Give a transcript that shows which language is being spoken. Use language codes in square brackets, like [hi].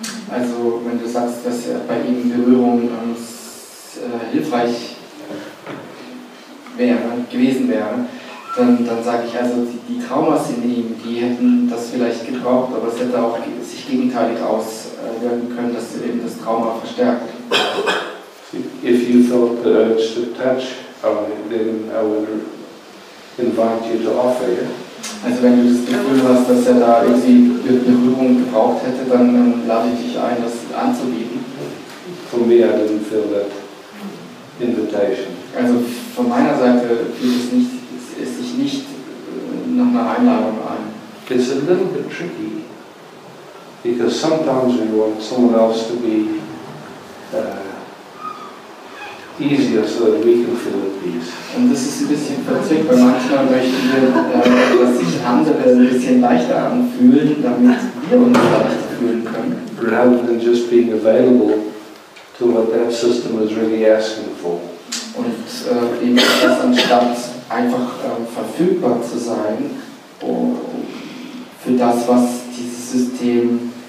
[de] Also wenn du sagst, dass bei ihm Berührung hilfreich gewesen wäre, dann sage ich also, die Traumas in ihm, die hätten das vielleicht gebraucht, aber es hätte auch sich gegenteilig auswirken können, dass du eben das Trauma verstärkt. [en] If you felt the urge to touch, then I would invite you to offer it. [de] Also wenn du das Gefühl hast, dass er da irgendwie Berührung gebraucht hätte, dann lade ich dich ein, das anzubieten. [en] For me, I didn't feel that invitation. [de] Also von meiner Seite fühlt es nicht, ist sich nicht nach einer Einladung ein. [en] It's a little bit tricky, because sometimes we want someone else to be easier, so that we can feel at peace. [de] Und das ist ein bisschen verzwickt, weil manchmal möchten wir, dass sich andere ein bisschen leichter anfühlen, damit wir uns leichter fühlen können. [en] Rather than just being available to what that system is really asking for. [de] Und eben das anstatt einfach verfügbar zu sein für das, was dieses System